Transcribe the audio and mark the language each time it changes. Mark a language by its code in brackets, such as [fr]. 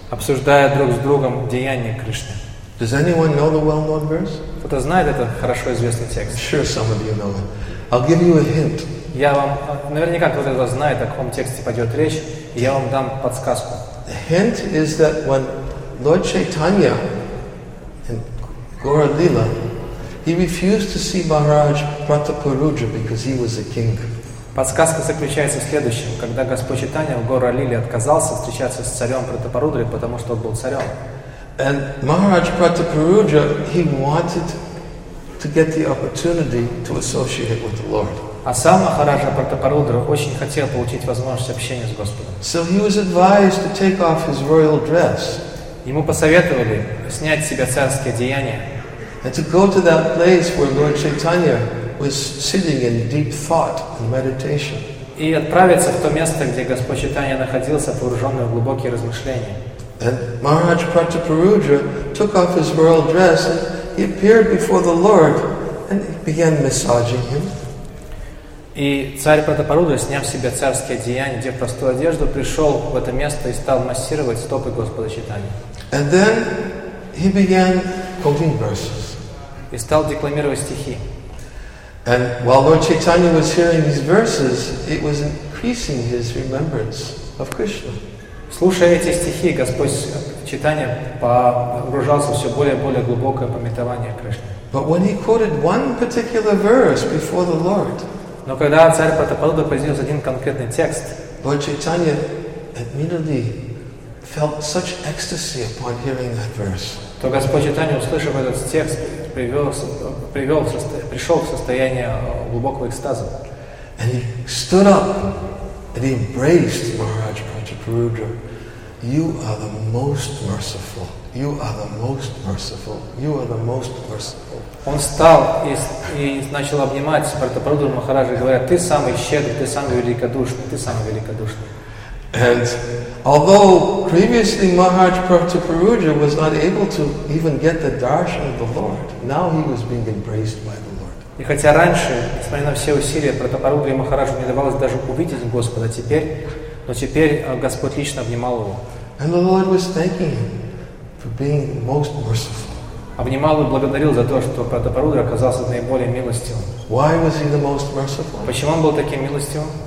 [ru] Обсуждая друг с другом деяния Кришны. [en] Does anyone know the well-known verse? [ru] Кто знает этот хорошо известный текст? [en] Sure, some of you know it. I'll give you a hint. [ru] Я вам, наверняка, кто-то из вас знает, о каком тексте пойдет речь, и я вам дам подсказку. [en] The hint is that when Lord Chaitanya in Gaura Lila, he refused to see Maharaj Pratapuruja because he was a king. [ru] Подсказка заключается в следующем. Когда Господь Читания в Гора Лиле отказался встречаться с царем Пратапарудрой, потому что он был царем. [en] And Maharaj Pratapuruja, he wanted to get the opportunity to associate with the Lord. [ru] А сам Махараджа Пратапарудра очень хотел получить возможность общения с Господом. [en] So he was advised to take off his royal dress. [ru] Ему посоветовали снять с себя царские одеяния. [en] And to go to that place where Lord Chaitanya was sitting in deep thought and meditation. [ru] И отправиться в то место, где Господь Чайтанья находился, погруженный в глубокие размышления. [en] And Maharaj Prataparudra took off his royal dress and he appeared before the Lord and he began massaging him. [ru] И царь Пратапаруджа, сняв себе царские одеяния, одев простую одежду, пришел в это место и стал массировать стопы Господа Чайтанья. [en] And then he began quoting verses. [ru] И стал декламировать стихи. [en] And while Lord Chaitanya was hearing these verses, it was increasing his remembrance of Krishna. [ru] Слушая эти стихи, Господь Чайтанья погружался все более и более глубокое памятование Кришны. [en] But when he quoted one particular verse before the Lord, [ru] но когда царь Пратапаруджа произнес один конкретный текст, [en] Lord Chaitanya immediately felt such ecstasy upon hearing that verse. [ru] То Господь Чайтанья, услышав этот текст, пришел в состояние глубокого экстаза. [en] And he stood up and embraced Maharaj Prataparudra. You are the most merciful. You are the most merciful. You are the most merciful. [ru] Он встал и начал обнимать Пратапаруджу Махараджа, говоря, ты самый щедрый, ты самый великодушный, ты самый великодушный. [en] And although previously Maharaj Prataparudra was not able to even get the darshan of the Lord, now he was being embraced by the Lord. [ru] И хотя раньше, несмотря на все усилия Пратапаруджи и Махараджу, не давалось даже увидеть Господа, теперь Господь лично обнимал его. [en] And the Lord was thanking him for being most merciful. [ru] Обнимал и благодарил за то, что Пратапаруджа оказался наиболее милостивым. [en] Why was he the most merciful? [ru] Почему он был таким милостивым?